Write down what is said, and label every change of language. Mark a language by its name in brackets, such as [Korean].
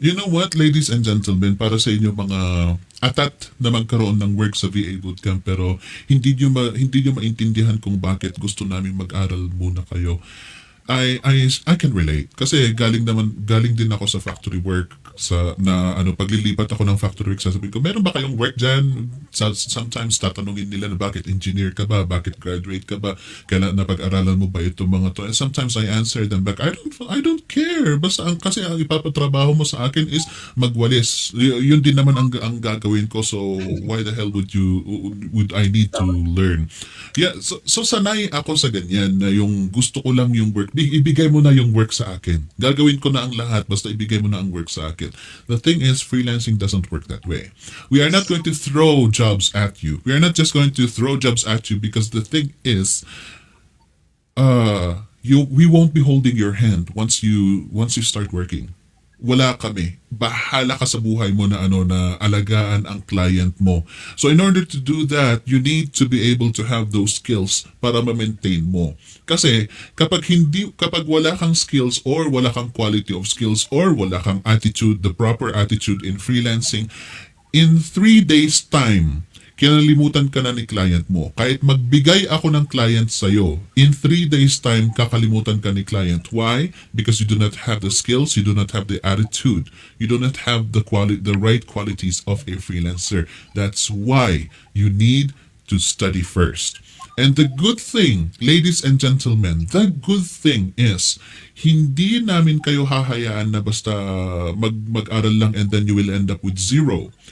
[English] You know what, ladies and gentlemen, [Filipino] para sa inyo mga atat na magkaroon ng work sa VA Bootcamp, pero hindi niyo maintindihan kung bakit gusto namin mag-aral muna kayo. [English] I can relate [Filipino] kasi galing din ako sa factory work sa na ano paglilipat ako ng factory work, sasabihin ko, meron ba kayong work diyan? Sometimes tatanungin nila na bakit engineer ka ba? Bakit graduate ka ba? Kailan napag-aralan mo ba itong mga to? [English] And sometimes I answer them back, I don't care. [Filipino] Basta kasi ang ipapatrabaho mo sa akin is magwalis. Yun din naman ang gagawin ko. [English] So why the hell would I need to learn? [Filipino] Yeah, so sanay ako sa ganyan na yung gusto ko lang yung work. Ibigay mo na yung work sa akin. Gagawin ko na ang lahat, basta ibigay mo na ang work sa akin. [English] The thing is, freelancing doesn't work that way. We are not going to throw jobs at you. We are not just going to throw jobs at you because the thing is, we won't be holding your hand once you start working. [Filipino] Wala kami. Bahala ka sa buhay mo na ano na alagaan ang client mo. [English] So in order to do that, you need to be able to have those skills [Filipino] para ma-maintain mo. Kasi kapag wala kang skills or wala kang quality of skills or wala kang attitude, [English] the proper attitude in freelancing, [Filipino] in 3 days time, kinalimutan ka na ni client mo. Kahit magbigay ako ng client sa iyo, in 3 days time, kakalimutan ka ni client. [English] Why? Because you do not have the skills, you do not have the attitude, you do not have the right qualities of a freelancer. That's why you need to study first. And the good thing, ladies and gentlemen, the good thing is, [Filipino] hindi namin kayo hahayaan na basta mag-aral lang [English] and then you will end up with zero.